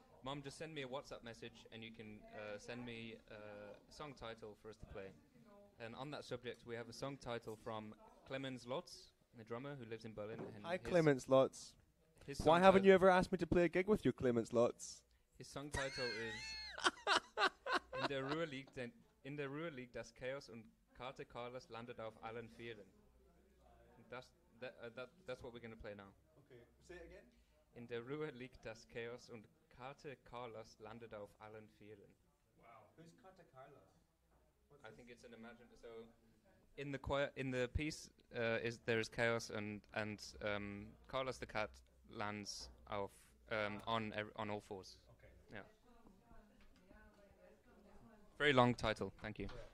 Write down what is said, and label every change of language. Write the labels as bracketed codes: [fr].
[en] Mom, just send me a WhatsApp message, and you can send me a song title for us to play. And on that subject, we have a song title from Clemens Lotz, the drummer who lives in Berlin. And hi, Clemens Lotz. Why haven't you ever asked me to play a gig with you, Clemens Lotz? His song title is [de] in der Ruhr liegt das Chaos und Karte Carlos landet auf allen Vieren. [en] That's what we're going to play now. Okay, say it again. [de] In der Ruhr liegt das Chaos und Karte Carlos landet auf allen Vieren. [en] Wow, who's Karte Carlos? I think it's an imagined. So, in the piece, there is chaos and Carlos the cat lands off on all fours. Okay. Yeah. Very long title. Thank you. Yeah.